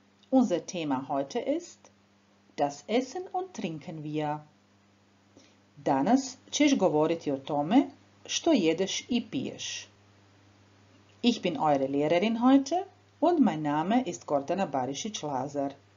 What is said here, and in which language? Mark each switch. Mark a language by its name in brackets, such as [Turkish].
[German] Unser Thema heute ist das Essen und Trinken wir. [Croatian] Danas ćeš govoriti o tome što jedeš i piješ. [German] Ich bin eure Lehrerin heute und mein Name ist Gordana Barišić-Lazar.